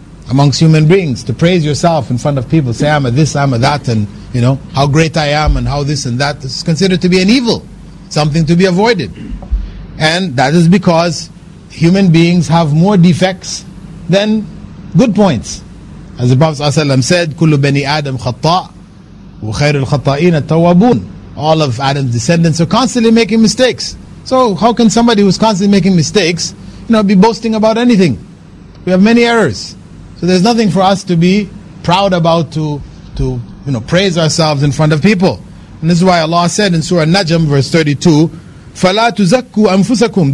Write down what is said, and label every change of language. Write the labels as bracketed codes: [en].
[en] amongst human beings, to praise yourself in front of people, say, I'm a this, I'm a that, and you know, how great I am, and how this and that, is considered to be an evil, something to be avoided. And that is because human beings have more defects than good points. As the Prophet ﷺ said, [ar] كُلُّ بَنِي آدَمْ خَطَّاءُ وَخَيْرُ الْخَطَّائِينَ التَّوَّابُونَ. [en] All of Adam's descendants are constantly making mistakes. So how can somebody who's constantly making mistakes, you know, be boasting about anything? We have many errors. So there's nothing for us to be proud about, to you know, praise ourselves in front of people. And this is why Allah said in Surah Najm, verse 32, [ar] فَلَا تُزَكُّوا أَنفُسَكُمْ.